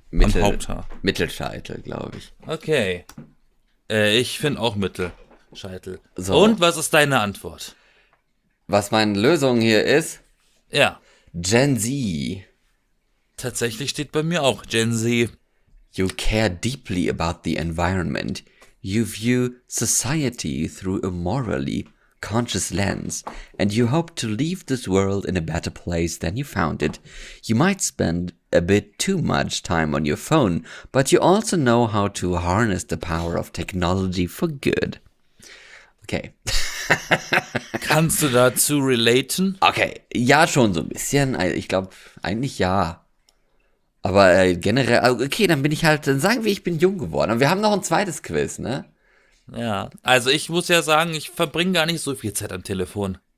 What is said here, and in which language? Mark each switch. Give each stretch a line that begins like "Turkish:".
German: Mittelhaupthaar. Mittelscheitel, glaube ich. Okay. Ich finde auch Mittelscheitel. So. Und was ist deine Antwort? Was meine Lösung hier ist? Ja. Gen Z. Tatsächlich steht bei mir auch Gen Z.
English: You care deeply about the environment. You view society through a morally conscious lens, and you hope to leave this world in a better place than you found it. You might spend a bit too much time on your phone, but you also know how to harness the power of technology for good. Okay.
German: Kannst du dazu relaten? Okay, ja, schon so ein bisschen. Ich glaube, eigentlich ja. Aber generell, okay, dann bin ich halt, dann sagen wir, ich bin jung geworden. Und wir haben noch ein zweites Quiz, ne? Ja, also ich muss ja sagen, ich verbringe gar nicht so viel Zeit am Telefon.